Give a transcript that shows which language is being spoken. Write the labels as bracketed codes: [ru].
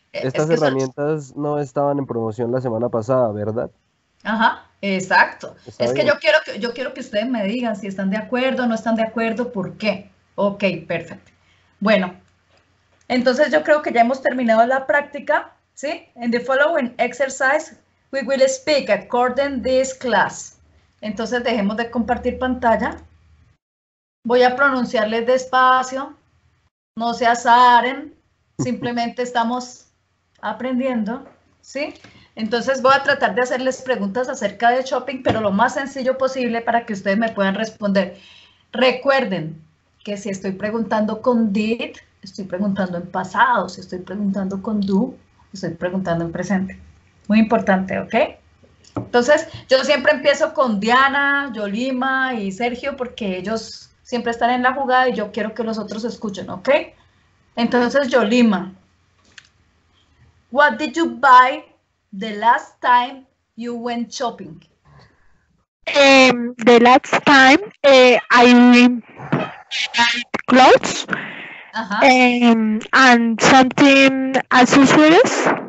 [es] Estas herramientas no estaban en promoción la semana pasada, ¿verdad? Ajá, exacto. Está bien. Que yo quiero que ustedes me digan si están de acuerdo o no están de acuerdo, ¿por qué? Ok, perfecto. Bueno. Entonces, yo creo que ya hemos terminado la práctica, ¿sí? [en] In the following exercise, we will speak according to this class. [es] Entonces, dejemos de compartir pantalla. Voy a pronunciarles despacio. No se azaren. Simplemente estamos aprendiendo, ¿sí? Entonces, voy a tratar de hacerles preguntas acerca de shopping, pero lo más sencillo posible para que ustedes me puedan responder. Recuerden que si estoy preguntando con did, estoy preguntando en pasado, si estoy preguntando con do, estoy preguntando en presente. Muy importante, ¿ok? Entonces, yo siempre empiezo con Diana, Yolima y Sergio, porque ellos siempre están en la jugada y yo quiero que los otros escuchen, ¿ok? Entonces, Yolima. [en] What did you buy the last time you went shopping? The last time I clothes. Uh-huh. And something accessories.